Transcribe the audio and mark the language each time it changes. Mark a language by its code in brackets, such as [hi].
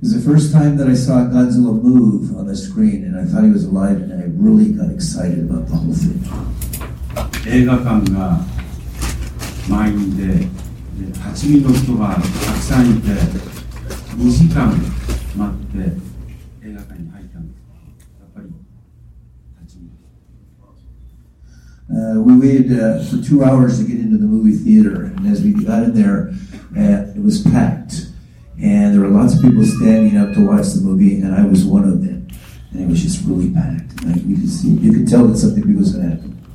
[en] was the first time that I saw Godzilla move on the screen, and I thought he was alive, and I really got excited about the whole thing. [ja] 映画館が満員で、 立ち見の人がたくさんいて、 2時間待って映画館に入ったんです。 [en] We waited for 2 hours to get into the movie theater, and as we got in there, it was packed. And there were lots of people standing up to watch the movie, and I was one of them. And it was just really packed. Like, you could tell that something big was going to happen.